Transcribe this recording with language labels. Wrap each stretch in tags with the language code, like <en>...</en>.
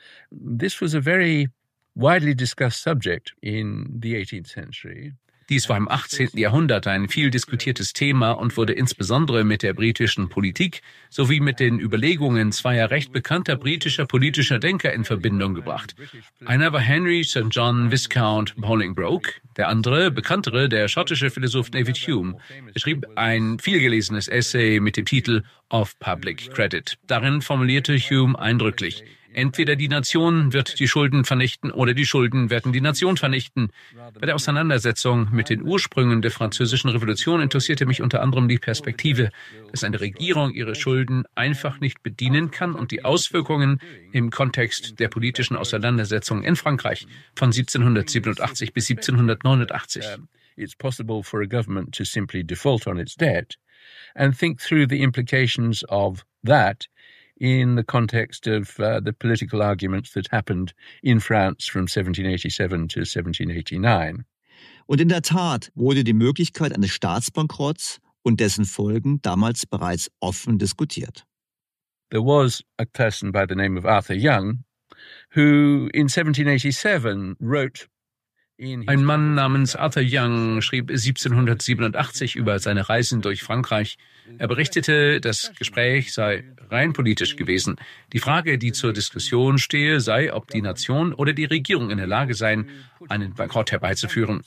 <en>This was a very widely discussed subject in the 18th century.</en> <de>Dies war im 18. Jahrhundert ein viel diskutiertes Thema und wurde insbesondere mit der britischen Politik sowie mit den Überlegungen zweier recht bekannter britischer politischer Denker in Verbindung gebracht. Einer war Henry St. John Viscount Bolingbroke, der andere, bekanntere, der schottische Philosoph David Hume, schrieb ein vielgelesenes Essay mit dem Titel Of Public Credit. Darin formulierte Hume eindrücklich: Entweder die Nation wird die Schulden vernichten oder die Schulden werden die Nation vernichten. Bei der Auseinandersetzung mit den Ursprüngen der Französischen Revolution interessierte mich unter anderem die Perspektive, dass eine Regierung ihre Schulden einfach nicht bedienen kann und die Auswirkungen im Kontext der politischen Auseinandersetzung in Frankreich von 1787 bis 1789.</de> <en>It's possible for a government to simply default on its debt and think through the implications of that in the context of the political arguments that happened in France from 1787 to 1789.</en> <de>Und in der Tat wurde die Möglichkeit eines Staatsbankrotts und dessen Folgen damals bereits offen diskutiert.</de> <en>There was a person by the name of Arthur Young, who in 1787 wrote.</en> <de>Ein Mann namens Arthur Young schrieb 1787 über seine Reisen durch Frankreich. Er berichtete, das Gespräch sei rein politisch gewesen. Die Frage, die zur Diskussion stehe, sei, ob die Nation oder die Regierung in der Lage seien, einen Bankrott herbeizuführen.</de>